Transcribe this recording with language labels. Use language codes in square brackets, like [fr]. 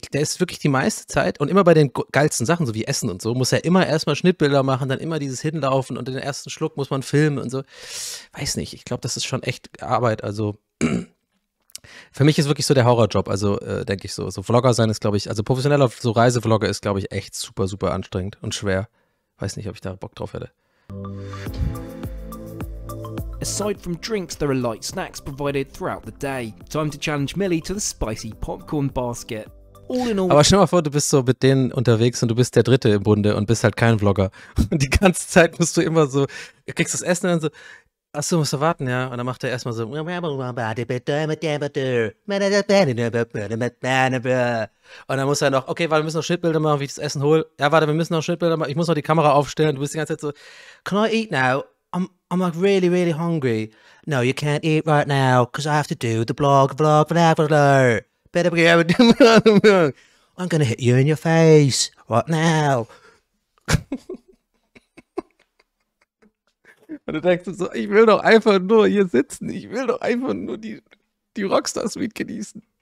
[de] Der ist wirklich die meiste Zeit und immer bei den geilsten Sachen, so wie Essen und so, muss er immer erstmal Schnittbilder machen, dann immer dieses Hinlaufen und den ersten Schluck muss man filmen und so. Weiß nicht, ich glaube, das ist schon echt Arbeit, also für mich ist wirklich so der Horrorjob, also denke ich so. So Vlogger sein ist, glaube ich, also professioneller so Reisevlogger ist, glaube ich, echt super, super anstrengend und schwer. Weiß nicht, ob ich da Bock drauf hätte. [en] Aside from drinks, there are light snacks provided throughout the day. Time to challenge Millie to the spicy popcorn basket. All in all. [de] Aber stell mal vor, du bist so mit denen unterwegs und du bist der Dritte im Bunde und bist halt kein Vlogger. Und die ganze Zeit musst du immer so, du kriegst das Essen und dann so, achso, musst du warten, ja. Und dann macht er erstmal so. Und dann muss er noch, okay, warte, wir müssen noch Schnittbilder machen, wie ich das Essen hole. Ja, warte, wir müssen noch Schnittbilder machen. Ich muss noch die Kamera aufstellen und du bist die ganze Zeit so, [en] can I eat now? I'm like really, really hungry. No, you can't eat right now, because I have to do the blah, blah, blah. I'm going to hit you in your face right now. [de] Und du denkst so, ich will doch einfach nur hier sitzen. Ich will doch einfach nur die Rockstar-Suite genießen.